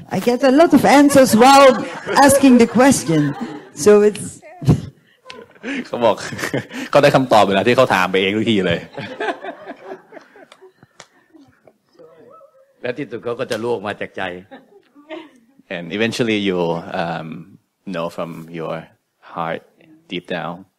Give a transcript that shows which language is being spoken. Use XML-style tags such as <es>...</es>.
<en>I get a lot of answers while asking the question, so it's.</en> <th>เขาบอกก็ได้คำตอบไปแล้วที่เขาถามไปเองทุกทีเลย และที่สุดเขาก็จะลวกมาจากใจ</th> <en>and eventually you know from your heart deep down</en>